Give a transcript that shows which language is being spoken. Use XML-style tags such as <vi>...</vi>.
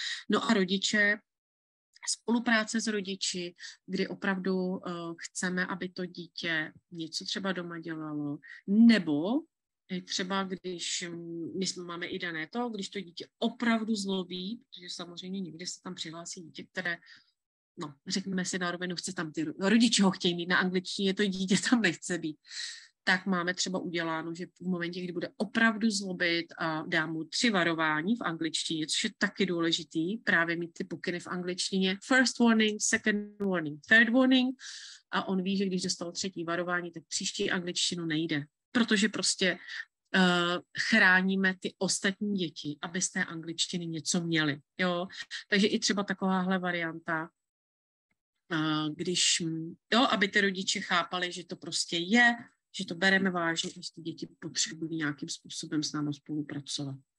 <cs>No a rodiče, spolupráce s rodiči, kdy opravdu chceme, aby to dítě něco třeba doma dělalo, nebo třeba když my jsme máme i dané to, když to dítě opravdu zlobí, protože samozřejmě někde se tam přihlásí dítě, které, no, řekneme si na rovinu, chce tam ty rodiče ho chtějí mít na angličtině, to dítě tam nechce být. tak máme třeba uděláno, že v momentě, kdy bude opravdu zlobit, dá mu 3 varování v angličtině, což je taky důležitý, právě mít ty pokyny v angličtině.</cs> <en>First warning, second warning, third warning.</en> <cs>A on ví, že když dostal 3. varování, tak příští angličtinu nejde. Protože prostě chráníme ty ostatní děti, aby z té angličtiny něco měli. Jo? Takže i třeba takováhle varianta, když, jo, aby ty rodiče chápali, že to prostě je, že to bereme vážně, že ty děti potřebují nějakým způsobem s námi spolupracovat.</cs>